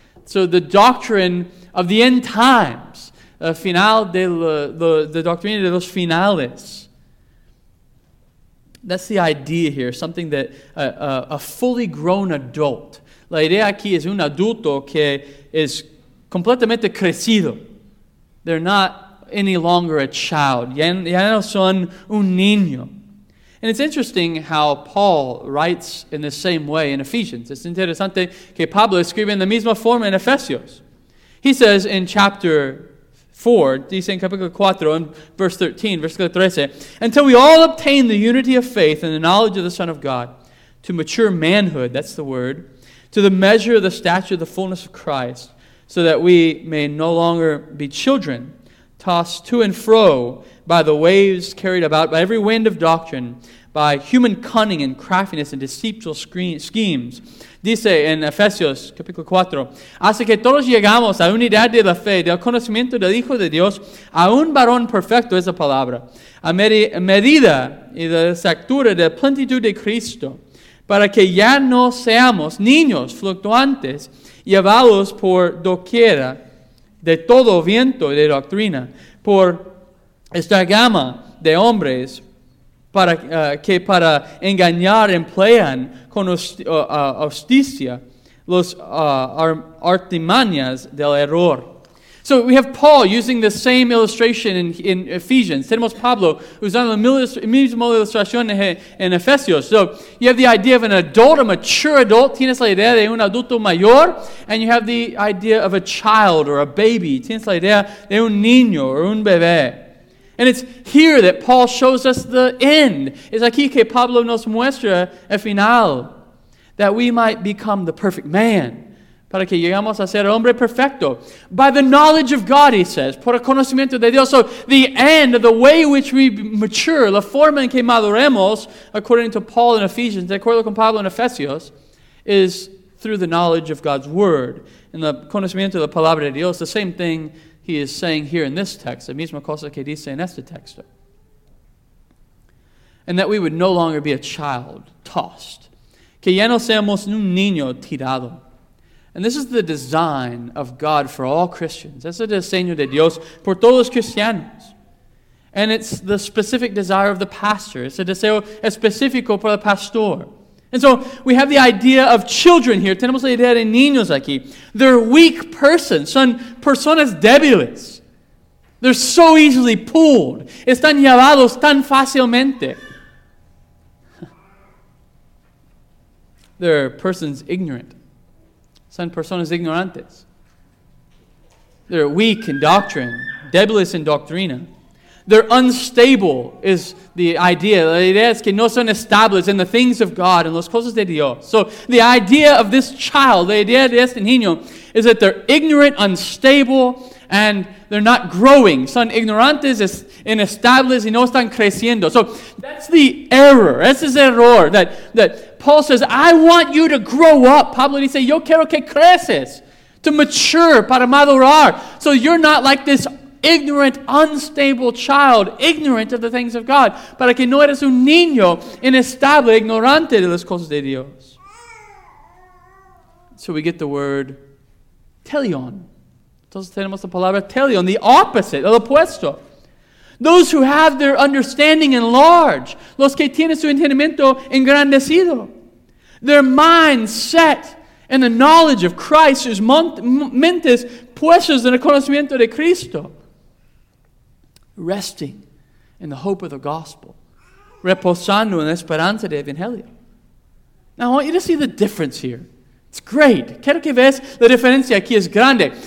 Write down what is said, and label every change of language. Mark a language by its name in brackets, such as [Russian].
[English] So the doctrine of the end times. [Spanish] Final de the doctrina de los finales. [English] That's the idea here. Something that a fully grown adult. [Spanish] La idea aquí es un adulto que es completamente crecido. [English] They're not any longer a child. [Spanish] Ya no son un niño. [English] And it's interesting how Paul writes in the same way in Ephesians. [Spanish] Es interesante que Pablo escribe en la misma forma en Efesios. [English] He says in chapter 4, [Spanish] dice en capítulo 4, [English] in verse 13, [Spanish] versículo 13, [English] until we all obtain the unity of faith and the knowledge of the Son of God, to mature manhood, that's the word, to the measure of the stature of the fullness of Christ, so that we may no longer be children, tossed to and fro by the waves carried about by every wind of doctrine, by human cunning and craftiness and deceitful schemes. [Spanish] Dice en Efesios, capítulo 4, hace que todos llegamos a unidad de la fe, del conocimiento del Hijo de Dios, a un varón perfecto, esa palabra, a medida y de la estatura de plenitud de Cristo, para que ya no seamos niños fluctuantes, llevados por doquiera, de todo viento de doctrina, por esta gama de hombres para, que para engañar emplean con hostia los artimañas del error. [English] So we have Paul using the same illustration in Ephesians. [Spanish] Tenemos Pablo usando la misma ilustración en Efesios. [English] So you have the idea of an adult, a mature adult. [Spanish] Tienes la idea de un adulto mayor. [English] And you have the idea of a child or a baby. [Spanish] Tienes la idea de un niño or un bebé. [English] And it's here that Paul shows us the end. [Spanish] Es aquí que Pablo nos muestra el final. [English] That we might become the perfect man. [Spanish] Para que llegamos a ser hombre perfecto. [English] By the knowledge of God, he says. [Spanish] Por el conocimiento de Dios. [English] So the end, the way which we mature, [Spanish] la forma en que maduremos, [English] according to Paul in Ephesians, [Spanish] de acuerdo con Pablo [English] in Efesios, is through the knowledge of God's word. [Spanish] En el conocimiento de la palabra de Dios, [English] the same thing he is saying here in this text, [Spanish] la misma cosa que dice en este texto. [English] And that we would no longer be a child tossed. [Spanish] Que ya no seamos un niño tirado. [English] And this is the design of God for all Christians. [Spanish] Es el diseño de Dios por todos los cristianos. [English] And it's the specific desire of the pastor. [Spanish] Es el deseo específico para el pastor. [English] And so we have the idea of children here. [Spanish] Tenemos la idea de niños aquí. [English] They're weak persons. [Spanish] Son personas débiles. [English] They're so easily pulled. [Spanish] Están llevados tan fácilmente. [English] They're persons ignorant. [Spanish] Son personas ignorantes. [English] They're weak in doctrine, [Spanish] débiles in doctrina. [English] They're unstable, is the idea. [Spanish] La idea es que no son estables [English] in the things of God, [Spanish] en las cosas de Dios. [English] So the idea of this child, [Spanish] la idea de este niño, [English] is that they're ignorant, unstable, and they're not growing. [Spanish] Son ignorantes, inestables, y no están creciendo. [English] So that's the error. [Spanish] Ese es el error [English] that Paul says, I want you to grow up. [Spanish] Pablo dice, yo quiero que creces. [English] To mature, [Spanish] para madurar. So you're not like this [English] ignorant, unstable child, ignorant of the things of God, [Spanish] para que no eres un niño inestable, ignorante de las cosas de Dios. [English] So we get the word teleon. [Spanish] Entonces tenemos la palabra teleon, [English] the opposite, [Spanish] el opuesto. [English] Those who have their understanding enlarged. [Spanish] Los que tienen su entendimiento engrandecido. [English] Their minds set in the knowledge of Christ. [Spanish] Sus mentes puestas en el conocimiento de Cristo. [English] Resting in the hope of the gospel. [Spanish] Reposando en la esperanza de Evangelio. [English] Now I want you to see the difference here. It's great. [Spanish] Quiero que veas la diferencia aquí es grande.